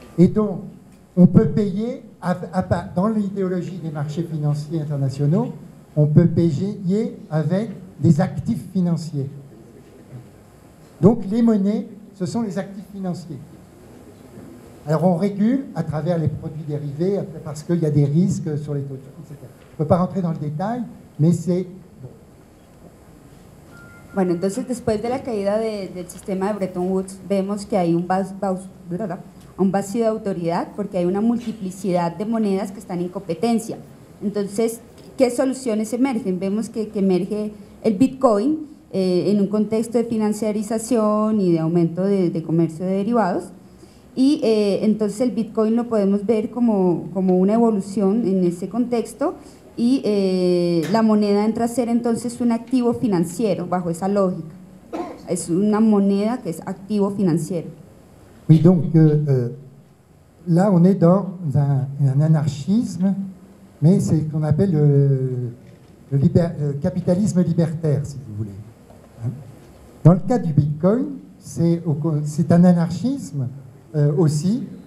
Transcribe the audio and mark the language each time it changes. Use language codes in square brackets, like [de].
[fr] Et donc, on peut payer, dans l'idéologie des marchés financiers internationaux, on peut payer avec des actifs financiers. Donc les monnaies, ce sont les actifs financiers. Alors on régule à travers les produits dérivés parce qu'il y a des risques sur les taux, etc. Je ne peux pas rentrer dans le détail, mais c'est... [es] Bueno, entonces después de la caída del sistema de Bretton Woods, vemos que hay un vacío de autoridad porque hay una multiplicidad de monedas que están en competencia. Entonces, ¿qué soluciones emergen? Vemos que emerge el Bitcoin en un contexto de financiarización y de aumento de comercio de derivados. Y entonces el Bitcoin lo podemos ver como una evolución en ese contexto. Y la moneda entra a ser entonces un activo financiero bajo esa lógica. Es una moneda que es activo financiero. [fr] Oui, donc là on est dans un anarchisme, mais c'est ce qu'on appelle le capitalisme libertaire, si vous voulez. Dans le cas du Bitcoin, c'est un anarchisme aussi.